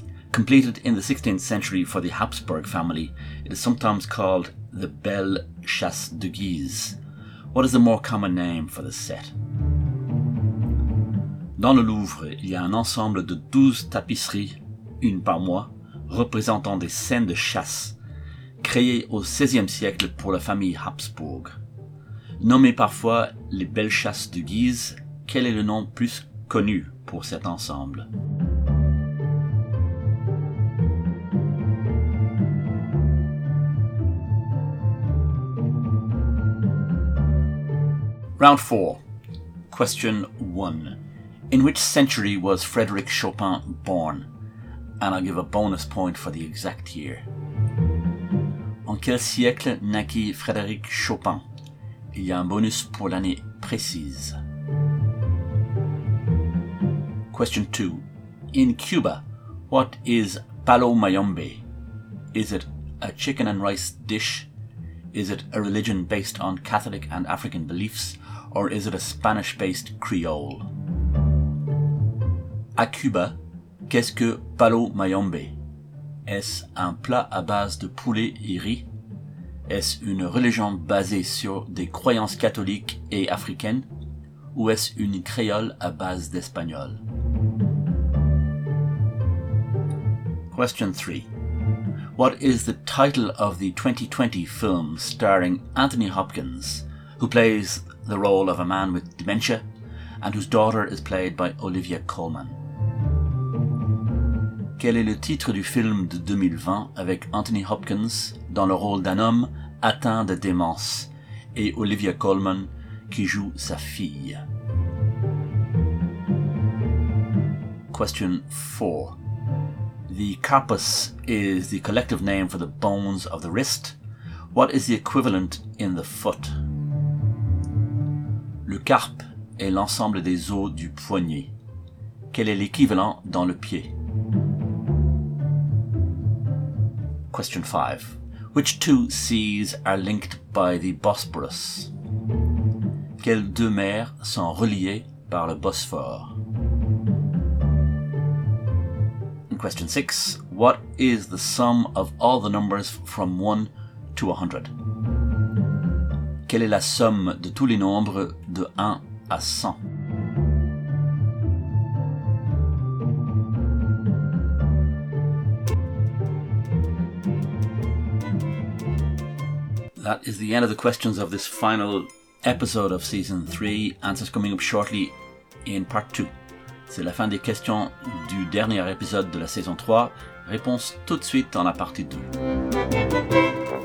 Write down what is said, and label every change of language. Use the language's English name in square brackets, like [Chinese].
[English] Completed in the 16th century for the Habsburg family, it is sometimes called the Belle Chasse de Guise. What is the more common name for the set? [French] Dans le Louvre, il y a un ensemble de 12 tapisseries, une par mois, représentant des scènes de chasse, créées au XVIe siècle pour la famille Habsbourg. Nommées parfois les Belles Chasses de Guise, quel est le nom plus connu pour cet ensemble? [English] Round 4. Question 1. In which century was Frédéric Chopin born? And I'll give a bonus point for the exact year. [French] En quel siècle naquit Frédéric Chopin? Il y a un bonus pour l'année précise. [English] Question 2. In Cuba, what is palo mayombe? Is it a chicken and rice dish? Is it a religion based on Catholic and African beliefs? Or is it a Spanish-based creole? [French] À Cuba, qu'est-ce que palo mayombe? Est-ce un plat à base de poulet et riz? Est-ce une religion basée sur des croyances catholiques et africaines? Ou est-ce une créole à base d'espagnol? [English] Question 3. What is the title of the 2020 film starring Anthony Hopkins, who plays the role of a man with dementia, and whose daughter is played by Olivia Colman? [French] Quel est le titre du film de 2020 avec Anthony Hopkins dans le rôle d'un homme atteint de démence et Olivia Colman qui joue sa fille? [English] Question 4. The carpus is the collective name for the bones of the wrist. What is the equivalent in the foot? [French] Le carpe est l'ensemble des os du poignet. Quel est l'équivalent dans le pied? [English] Question 5. Which two seas are linked by the Bosporus? [French] Quelles deux mers sont reliées par le Bosphore? [English] And question 6. What is the sum of all the numbers from 1 to 100? [French] Quelle est la somme de tous les nombres de 1 à 100? [English] That is the end of the questions of this final episode of season 3, answers coming up shortly in part 2. [French] C'est la fin des questions du dernier épisode de la saison 3. Réponse tout de suite dans la partie 2.